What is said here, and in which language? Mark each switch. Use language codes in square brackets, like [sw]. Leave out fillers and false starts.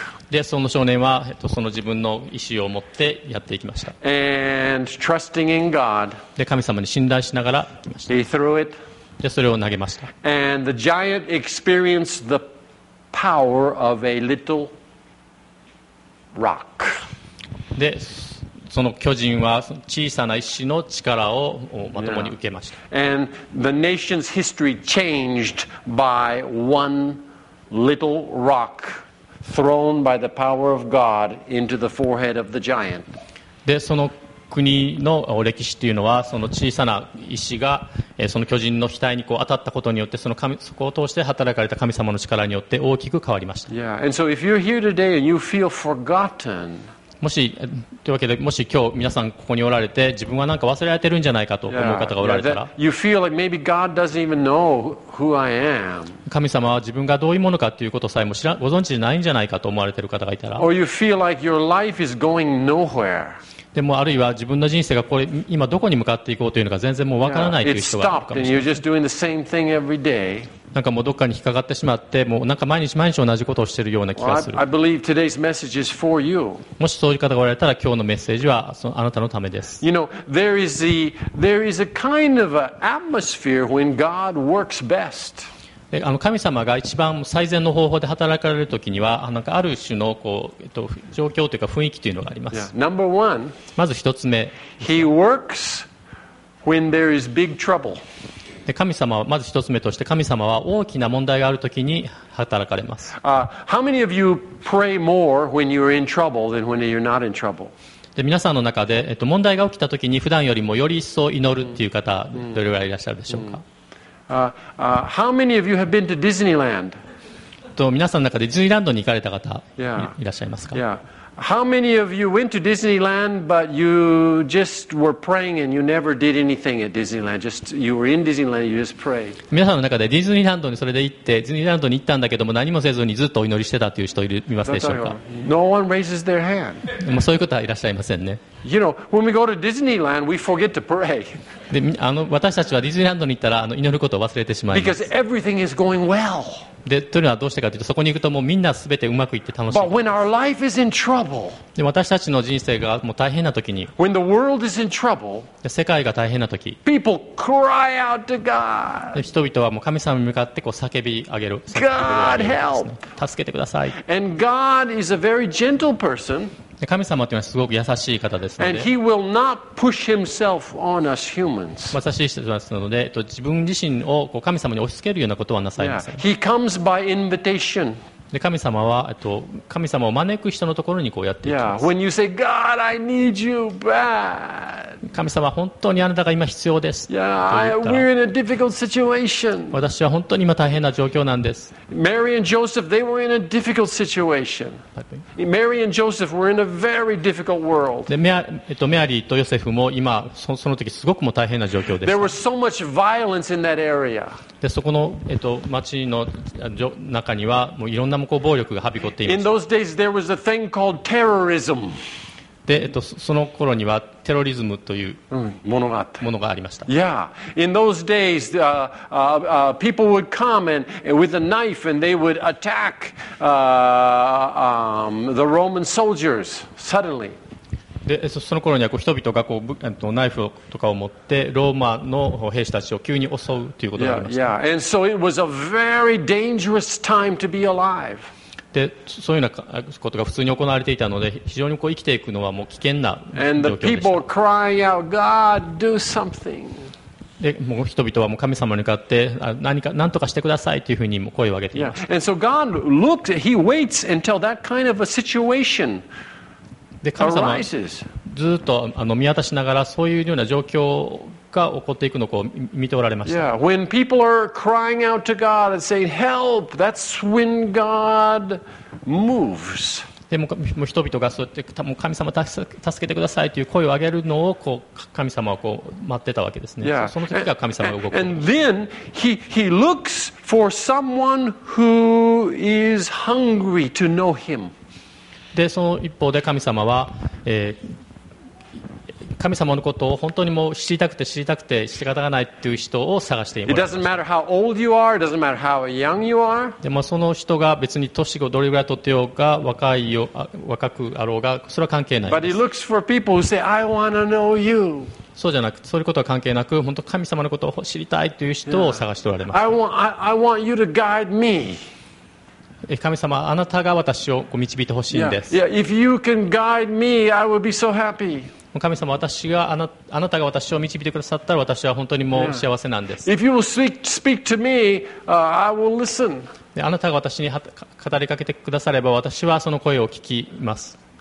[ja] でその少年は、その自分の意思を持ってやっていきました。で神様に信頼しながら行きました。でそれを投げました。 [en] And the giant experienced the power of a little rock. [ja] でその巨人は小さな石の力をまともに受けました。 [en] Yeah. And the nation's history changed by one little rock thrown by the power of God into the forehead of the giant. [ja] でその国の歴史というのはその小さな石がその巨人の額にこう当たったことによって そこを通して働かれた神様の力によって大きく変わりました。 [en] Yeah. And so if you're here today and you feel forgotten, [ja] もしというわけでもし今日皆さんここにおられて自分はなんか忘れられてるんじゃないかと思う方がおられたら、 [en] you feel like maybe God doesn't even know who I am. [ja] 神様は自分がどういうものかということさえもご存知ないんじゃないかと思われている方がいたら、 [en] or you feel like your life is going nowhere. [ja] でもあるいは自分の人生がこれ今どこに向かっていこうというのか全然もう分からないという人がいるかもしれません。なんかもうどっかに引っかかってしまってもうなんか毎日毎日同じことをしているような気がする。 [en] I believe today's message is for you. [ja] もしそういう方がおられたら今日のメッセージはあなたのためです。 [en] You know, there is a kind of an atmosphere when God works best. [ja] 神様が一番最善の方法で働かれるときにはなんかある種のこう、状況というか雰囲気というのがあります。 [en] Yeah. Number one, [ja] まず一つ目、 [en] He works when there is big trouble. [ja] で神様はまず一つ目として神様は大きな問題があるときに働かれます。 [en] How many of you pray more when you're in trouble than when you're not in trouble? [ja] で皆さんの中で、問題が起きたときに普段よりもより一層祈るという方どれぐらいいらっしゃるでしょうか。 [en] How many of you have been to Disneyland? [ja] と皆さんの中でディズニーランドに行かれた方いらっしゃいますか。 [en] Yeah. How many of you went to Disneyland but you just were praying and you never did anything at Disneyland? Just you were in Disneyland, you just prayed. [ja] 皆さんの中でディズニーランドにそれで行ってディズニーランドに行ったんだけども何もせずにずっとお祈りしてたという人いますでしょうか。 [en] No one raises their hand. [ja] もうそういう方はいらっしゃいませんね。 [en] You know, when we go to Disneyland, we forget to pray. [ja] で、私たちはディズニーランドに行ったら祈ることを忘れてしまいます。 [en] Because everything is going well. [ja] で、というのはどうしてかというと、そこに行くともうみんなすべてうまくいって楽しい。 [en] But when our life is in trouble, [ja] で、私たちの人生がもう大変な時に、 [en] when the world is in trouble, [ja] で、世界が大変な時、 [en] people cry out to God. [ja] で、人々はもう神様に向かってこう叫び上げる。 [en] God help! [ja] 助けてください。 [en] And God is a very gentle person. [ja] 神様というのはすごく優しい方ですので優しい人なので自分自身を神様に押し付けるようなことはなさいません。 [en] He comes by invitation. [ja] 神様は神様を招く人のところにこうやっていきます。 [en] When you say, God, I need you bad. [ja] 神様本当にあなたが今必要です。 [en] We're in a difficult situation. [ja] 私は本当に今大変な状況なんです。 [en] Mary and Joseph, they were in a difficult situation. Mary and Joseph were in a very difficult world. [ja] メアリーとヨセフも今その時すごくも大変な状況です。 [en] There was so much violence in that area. [ja] でそこの、町の中にはもういろんなこう暴力がはびこっています。 [en] In those days, there was a thing called terrorism. [ja] で、その頃にはテロリズムというものがあった。ものがありました。 [en] Yeah. In those days, people would come and with a knife and they would attack the Roman soldiers suddenly. [ja] でその頃にはこう人々がこうナイフとかを持ってローマの兵士たちを急に襲うということがありました。 [en] Yeah, and so it was a very dangerous time to be alive. [ja] でそういうようなことが普通に行われていたので非常にこう生きていくのはもう危険な状況でした。 [en] And the people crying out, God, do something. [ja] でもう人々はもう神様に向かって何とかしてくださいというふうにもう声を上げています。 [en] Yeah, and so God looked, he waits until that kind of a situation. [ja] で神様はずっと見渡しながらそういうような状況が起こっていくのを見ておられました。 [en] Yeah, when people are crying out to God and saying help, that's when God moves. [ja] でも人々がそうやってもう神様助けてくださいという声を上げるのをこう神様はこう待ってたわけですね。 [en] Yeah. [ja] その時が神様が動くことです。 [en] And then he looks for someone who is hungry to know him. [ja] でその一方で神様は、神様のことを本当にもう知りたくて知りたくて仕方がないという人を探しています。 [en] It doesn't matter how old you are, it doesn't matter how young you are. [ja] でもその人が別に年をどれぐらいとってようが若くあろうがそれは関係ないです。 [en] But he looks for people who say, I want to know you. [ja] そうじゃなくそういうことは関係なく本当神様のことを知りたいという人を探しておられます。 [en] Yeah. I want you to guide me. [ja] 神様あなたが私を導いてほしいんです。 [en] yeah, yeah, if you can guide me, I will be so happy. [ja] 神様私があなたが私を導いてくださったら私は本当にもう幸せなんです。 [en] yeah. If you will speak to me, I will listen. [ja] あなたが私に語りかけてくだされば私はその声を聞きます。